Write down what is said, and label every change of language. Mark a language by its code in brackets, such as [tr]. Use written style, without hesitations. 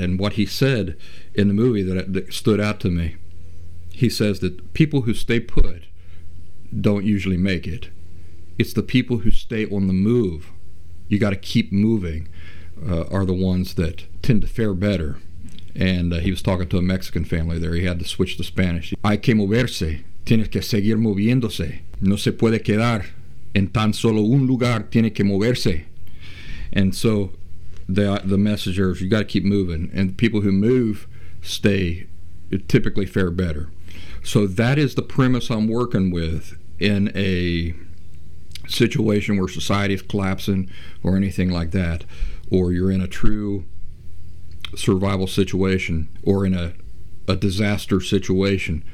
[en] And what he said in the movie that stood out to me, he says that people who stay put don't usually make it. It's the people who stay on the move, you got to keep moving, are the ones that tend to fare better. And he was talking to a Mexican family there. He had to switch to Spanish. [es] Hay que moverse, tienes que seguir moviéndose. No se puede quedar en tan solo un lugar, tiene que moverse. [en] And so the messenger is, you got to keep moving. And people who move stay, typically fare better. So that is the premise I'm working with in a situation where society is collapsing or anything like that, or you're in a true survival situation or in a disaster situation.